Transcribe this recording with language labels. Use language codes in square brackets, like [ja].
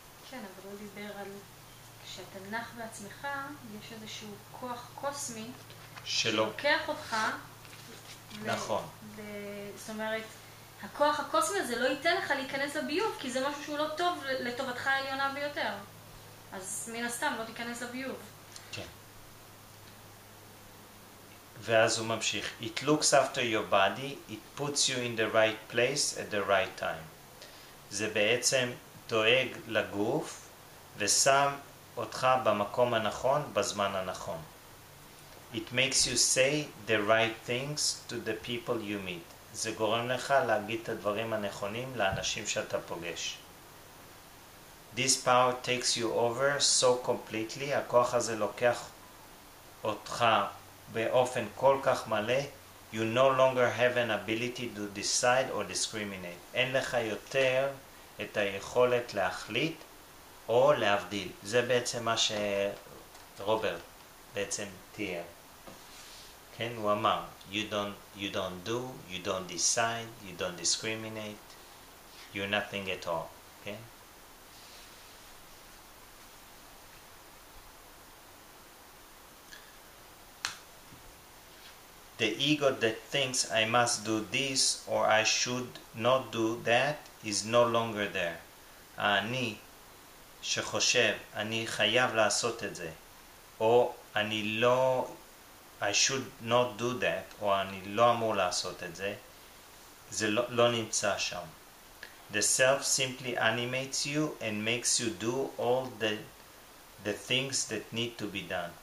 [he] כן, אבל הוא דיבר על כשאתה נח בעצמך, יש איזשהו כוח קוסמי שלוקח אותך. נכון. זאת אומרת, הכוח הקוסמי הזה לא ייתן לך להיכנס לביוב, כי זה משהו שהוא לא טוב לטובתך העליונה ביותר. אז מן הסתם לא תיכנס לביוב. כן. ואז הוא ממשיך. [en] It looks after your body, it puts you in the right place at the right time. [he] זה בעצם דואג לגוף ושם אותך במקום הנכון, בזמן הנכון. [en] It makes you say the right things to the people you meet. [he] זה גורם לך להגיד את הדברים הנכונים לאנשים שאתה פוגש. [en] This power takes you over so completely. [he] הכוח הזה לוקח אותך באופן כל כך מלא. [en] You no longer have an ability to decide or discriminate. [he] אין לך יותר את היכולת להחליט או להבדיל. זה בעצם מה שרוברט בעצם תיאר. כן, הוא אמר, [en] you don't do, you don't decide, you don't discriminate, you're nothing at all. [he] כן? [en] The ego that thinks I must do this or I should not do that is no longer there. [he] אני שחושב אני חייב לעשות את זה או אני לא, [en] I should not do that, [he] או אני לא אמור לעשות את זה, זה לא נמצא שם. [en] The self simply animates you and makes you do all the things that need to be done.